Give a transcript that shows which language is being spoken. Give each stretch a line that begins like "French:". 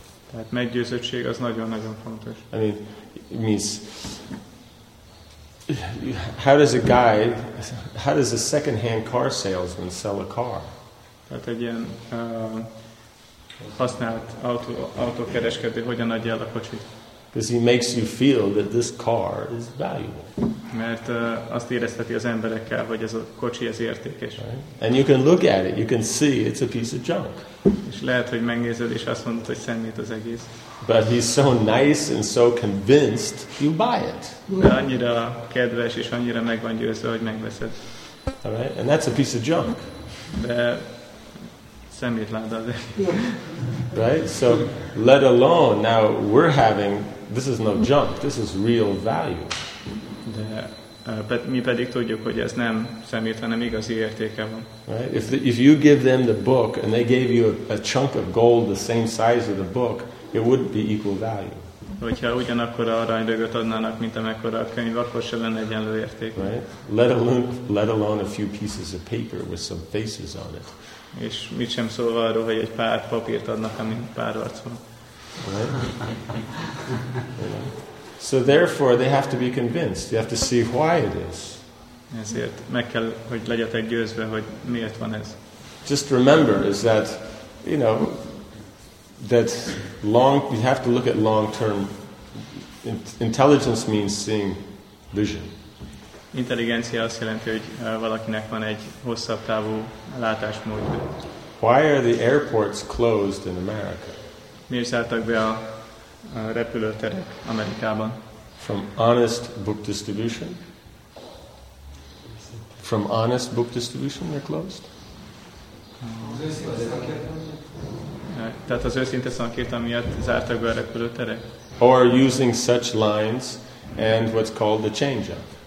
Hungarian: Tehát meggyőződtség az nagyon-nagyon fontos.
English: I mean, it means, how does a second-hand car salesman sell a car?
Hungarian: Tehát egy ilyen használt autókereskedő hogyan adja el a kocsit?
English: Because he makes you feel that this car is valuable.
Hungarian: Mert azt érezteti az emberekkel, hogy ez a kocsi ez értékes.
English: Right? And you can look at it, you can see it's a piece of junk.
Hungarian: És lehet, hogy megnézed és azt mondod, hogy szemét az egész.
English: But he's so nice and so convinced, you buy it.
Hungarian: De annyira kedves és annyira meg van győzve, hogy megveszed.
English: All right? And that's a piece of junk.
Hungarian: De szemét láda az egész.
English: Right? So let alone now we're having, this is no junk, this is real value.
Hungarian: De mi pedig tudjuk, hogy ez nem szemét, hanem igazi értéke van.
English: Right? If you give them the book and they gave you a chunk of gold the same size as the book, it would be equal value.
Hungarian: Hogyha ugyanakkor a aranydögöt adnának, mint amekkora a könyv, akkor se lenne egyenlő érték.
English: Right? Let alone a few pieces of paper with some faces on it.
Hungarian: És mit sem szólva arról, hogy egy pár papírt adnak, ami pár arc van.
English: So therefore they have to be convinced. You have to see why it is.
Hungarian: Ezért meg kell, hogy legyetek győzve, hogy miért van ez.
English: Just remember is that, you know, that long, you have to look at long term. Intelligence means seeing vision.
Hungarian: Intelligencia azt jelenti, hogy valakinek van egy hosszabb távú látásmódja.
English: Why are the airports closed in America?
Hungarian: Miért zártak be a repülőterek Amerikában?
English: From honest book distribution? From honest book distribution they're closed?
Hungarian: Tehát az őszinte szankírtan miatt zártak be a repülőterek?
English: Or using such lines and what's called the change-up.